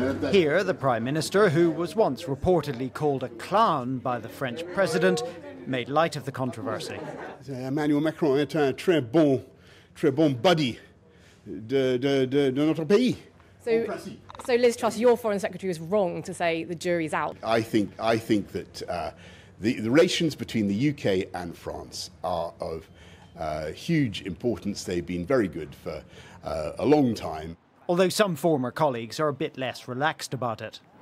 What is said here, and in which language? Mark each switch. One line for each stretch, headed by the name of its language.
English: Here, the Prime Minister, who was once reportedly called a clown by the French president, made light of the controversy.
French: Emmanuel Macron est un très bon buddy de notre pays.
English: So Liz Truss, your foreign secretary was wrong to say the jury's out. I think that... The relations between the UK and France are of huge importance. They've been very good for a long time. Although some former colleagues are a bit less relaxed about it.